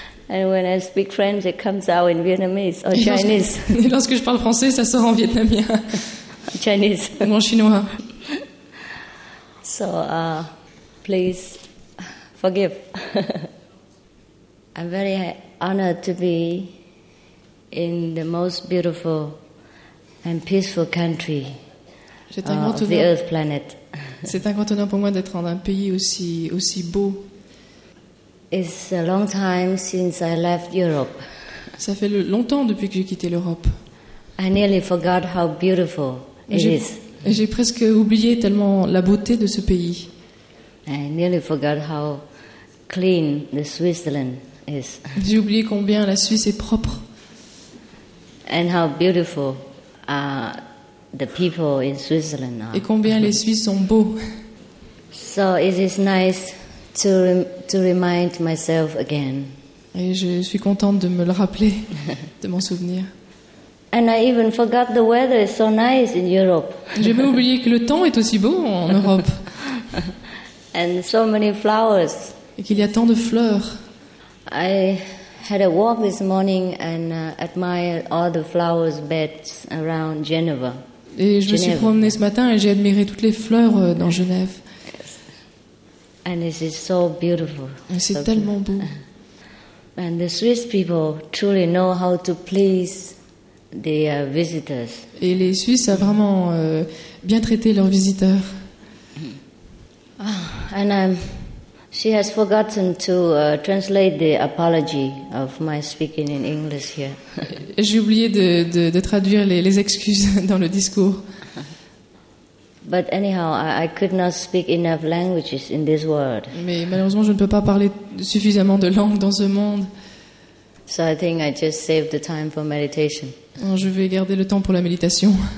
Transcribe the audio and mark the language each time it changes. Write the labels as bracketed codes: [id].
[en] And when I speak French, it comes out in Vietnamese or Chinese. [fr] Et lorsque je parle français, ça sort en vietnamien. [en] Chinese. [fr] Ou en chinois. [en] So, please forgive. I'm very honored to be in the most beautiful and peaceful country of the Earth planet. [fr] C'est un grand honneur pour moi d'être dans un pays aussi beau. [en] It's a long time since I left Europe. [fr] Ça fait longtemps depuis que j'ai quitté l'Europe. [en] I nearly forgot how beautiful it is. [fr] J'ai presque oublié tellement la beauté de ce pays. [en] I nearly forgot how clean the Switzerland. [fr] J'ai oublié combien la Suisse est propre. [en] And how beautiful the people in Switzerland are. [fr] Et combien les Suisses sont beaux. [en] So it is nice to remind myself again. [fr] Et je suis contente de me le rappeler, de m'en souvenir. [en] And I even forgot the weather is so nice in Europe. [fr] J'ai même oublié que le temps est aussi beau en Europe. [en] And so many flowers. [fr] Et qu'il y a tant de fleurs. [en] I had a walk this morning and admired all the flowers beds around Geneva. [fr] Et je me suis promenée ce matin et j'ai admiré toutes les fleurs dans Genève. [en] Yes. And it is so beautiful. [fr] Et c'est tellement beau. [en] And the Swiss people truly know how to please their visitors. [fr] Et les Suisses ont vraiment bien traité leurs visiteurs. [en] And I'm She has forgotten to translate the apology of my speaking in English here. [fr] J'ai oublié de traduire les excuses dans le discours. [en] But anyhow, I could not speak enough languages in this world. [fr] Mais malheureusement, je ne peux pas parler suffisamment de langues dans ce monde. [en] So I think I just saved the time for meditation. [fr] Je vais garder le temps pour la méditation.